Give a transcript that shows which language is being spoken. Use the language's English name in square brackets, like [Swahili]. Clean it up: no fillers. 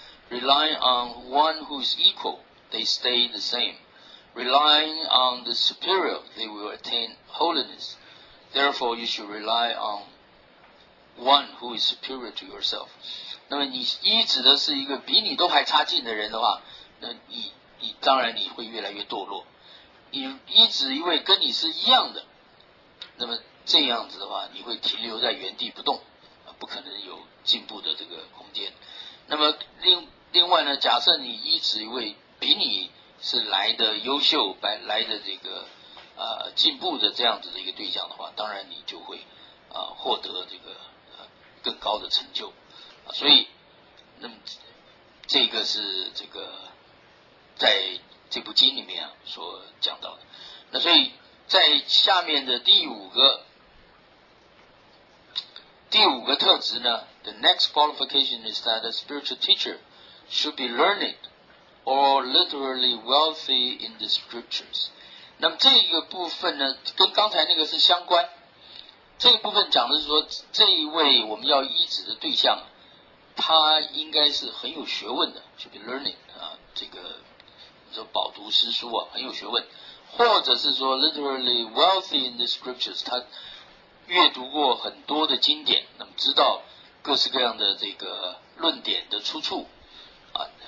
[English] Relying on one who is equal, they stay the same. Relying on the superior, they will attain holiness. Therefore, you should rely on one who is superior to yourself. [Chinese] 那么你依指的是一个比你都还差劲的人的话，那你当然你会越来越堕落。你依指一位跟你是一样的，那么这样子的话，你会停留在原地不动，不可能有进步的这个空间。那么另外呢，假设你依指一位比你是来的优秀、来的这个进步的这样子的一个对象的话，当然你就会获得这个更高的成就。所以，那么这个是这个在这部经里面所讲到的。那所以在下面的第五个特质呢， [English] the next qualification is that a spiritual teacher should be learned or literally wealthy in the scriptures. [Chinese] 那么这个部分呢，跟刚才那个是相关。这个部分讲的是说，这一位我们要医治的对象，他应该是很有学问的， [English] should be learned [Chinese] 这个你说饱读诗书啊，很有学问，或者是说 [English] literally wealthy in the scriptures， [Chinese] 他阅读过很多的经典，那么知道各式各样的这个论点的出处啊，